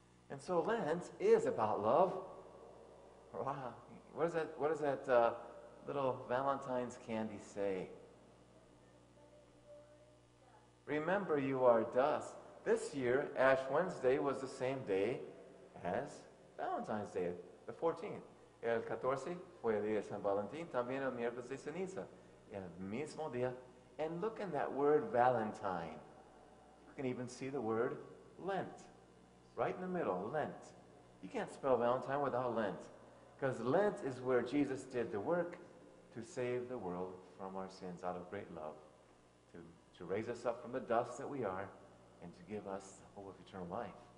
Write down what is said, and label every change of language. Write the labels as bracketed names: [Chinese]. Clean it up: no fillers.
[English] And so Lent is about love. Wow. What is that little Valentine's candy say? Remember, you are dust. This year, Ash Wednesday was the same day as Valentine's Day, the 14th. [Spanish] El 14 fue el día de San Valentín, también el miércoles de ceniza, el mismo día. [English] And look in that word Valentine. You can even see the word Lent, right in the middle, Lent. You can't spell Valentine without Lent. Because Lent is where Jesus did the work to save the world from our sins out of great love, to raise us up from the dust that we are, and to give us the hope of eternal life.